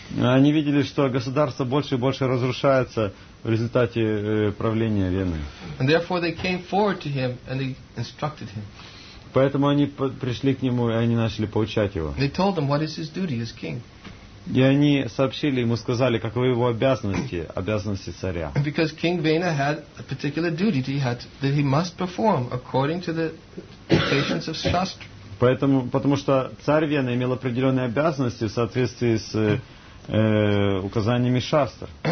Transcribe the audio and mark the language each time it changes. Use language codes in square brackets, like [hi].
[ru] Они видели, что государство больше и больше разрушается в результате правления Вены. [en] And therefore they came forward to him and they instructed him. [ru] Поэтому они пришли к нему и они начали поучать его. [en] They told him what is his duty as king. [ru] И они сообщили ему, сказали, каковы его обязанности царя. [en] Because King Vena had a particular duty that he must perform according to the dictations of Shastra. [ru] Потому что царь Вена имел определенные обязанности в соответствии с указаниями Шастр.